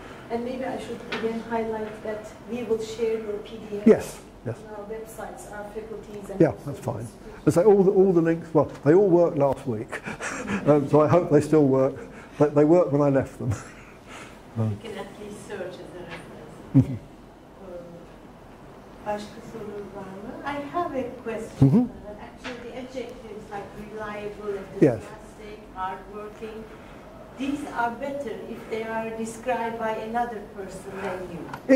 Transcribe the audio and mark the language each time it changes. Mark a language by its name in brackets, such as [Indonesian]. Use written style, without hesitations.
[English] And maybe I should again highlight that we will share your PDFs. Yes. Yes. On our websites, our faculties and... Yeah, that's fine. Let's say all the links, well, they all worked last week, so I hope they still work. They worked when I left them. You can at least search as a reference. Mm-hmm. [Turkish] Başka sorular var mı? [English] I have a question. Mm-hmm. Actually, the adjectives like reliable, enthusiastic, yes, hardworking, these are better if they are described by another person than you.